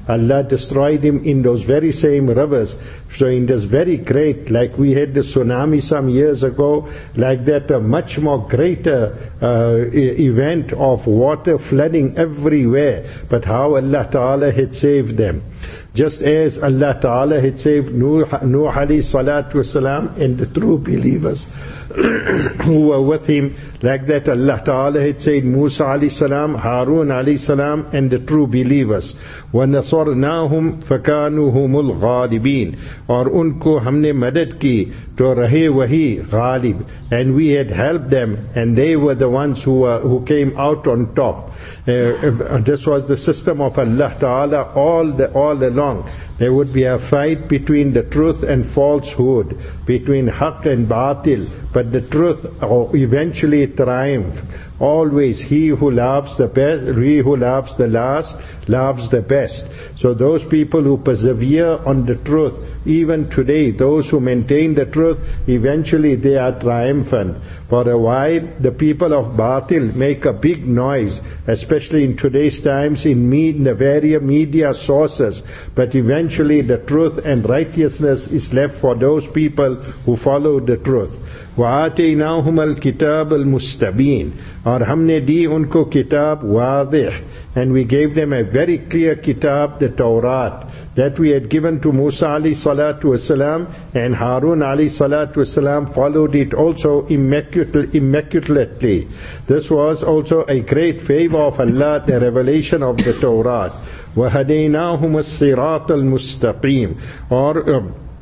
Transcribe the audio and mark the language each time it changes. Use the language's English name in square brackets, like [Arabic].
[English] Allah destroyed him in those very same rivers. So in this very great, like we had the tsunami some years ago, like that a much more greater event of water flooding everywhere, but how Allah Ta'ala had saved them. Just as Allah Ta'ala had saved Nuh alayhi salatu wasalam and the true believers who were with him, like that Allah Ta'ala had saved Musa alayhi salam, Harun alayhi salam, and the true believers. [Arabic] وَنَصَرْنَاهُمْ فَكَانُهُمُ الْغَالِبِينَ [Urdu] اور ان کو ہم نے مدد کی تو رہے وہی غالب. [English] And we had helped them, and they were the ones who came out on top. This was the system of Allah Ta'ala all along. There would be a fight between the truth and falsehood, between haq and batil, but the truth eventually triumphed. Always he who laughs the last laughs the best. So those people who persevere on the truth, even today, those who maintain the truth, eventually they are triumphant. For a while, the people of Batil make a big noise, especially in today's times in the various media sources. But eventually the truth and righteousness is left for those people who follow the truth. [Arabic] وَآتَيْنَاهُمَ الْكِتَابَ الْمُسْتَبِينَ [Urdu] اور ہم نے دی ان کو کتاب واضح. [English] And we gave them a very clear kitab, the Torah, that we had given to Musa alayhi salatu wasalam, and Harun alayhi salatu wasalam followed it also immaculately. This was also a great favor of Allah, the revelation of the Torah. [Arabic] وَهَدَيْنَاهُمَ الصِّرَاطَ الْمُسْتَقِيمَ [English] اور